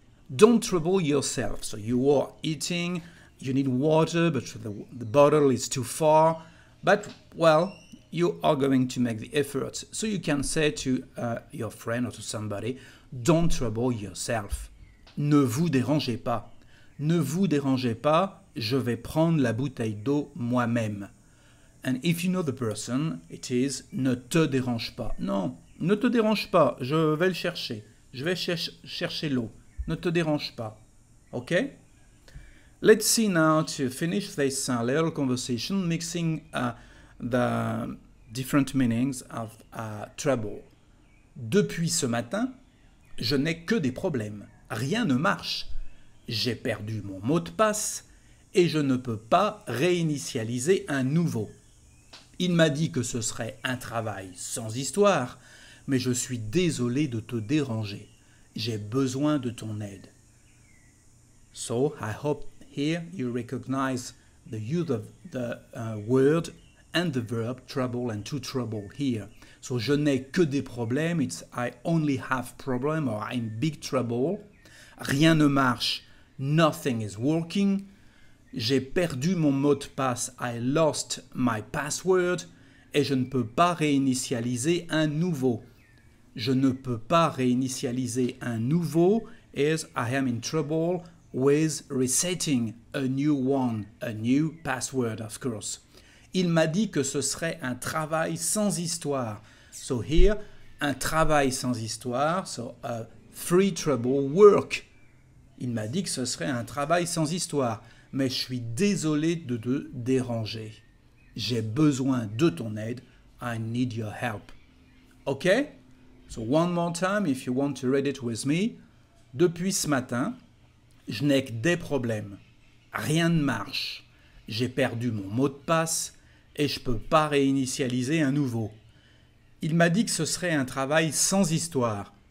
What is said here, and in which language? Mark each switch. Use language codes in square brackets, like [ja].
[en] Don't trouble yourself. So you are eating, you need water, but the bottle is too far. But, well, you are going to make the effort. So you can say to your friend or to somebody, don't trouble yourself. [fr] Ne vous dérangez pas. Ne vous dérangez pas, je vais prendre la bouteille d'eau moi-même. [en] And if you know the person, it is [fr] ne te dérange pas. Non, ne te dérange pas, je vais le chercher. Je vais chercher l'eau. Ne te dérange pas. OK? [en] Let's see now to finish this little conversation, mixing the different meanings of trouble. [fr] Depuis ce matin, je n'ai que des problèmes. Rien ne marche. J'ai perdu mon mot de passe et je ne peux pas réinitialiser un nouveau. Il m'a dit que ce serait un travail sans histoire, mais je suis désolé de te déranger. J'ai besoin de ton aide. [en] So, I hope here you recognize the use of the word and the verb trouble and to trouble here. So, [fr] je n'ai que des problèmes. [en] It's I only have problems or I'm big trouble. [fr] Rien ne marche. [en] Nothing is working. [fr] J'ai perdu mon mot de passe. [en] I lost my password. [fr] Et je ne peux pas réinitialiser un nouveau. Je ne peux pas réinitialiser un nouveau. [en] Is I am in trouble with resetting a new one, a new password, of course. [fr] Il m'a dit que ce serait un travail sans histoire. [en] So here, [fr] un travail sans histoire. [en] So a free trouble work. [fr] Il m'a dit que ce serait un travail sans histoire. Mais je suis désolé de te déranger. J'ai besoin de ton aide. [en] I need your help. OK? So one more time, if you want to read it with me. [fr] Depuis ce matin, je n'ai que des problèmes. Rien ne marche. J'ai perdu mon mot de passe et je ne peux pas réinitialiser un nouveau. Il m'a dit que ce serait un travail sans histoire.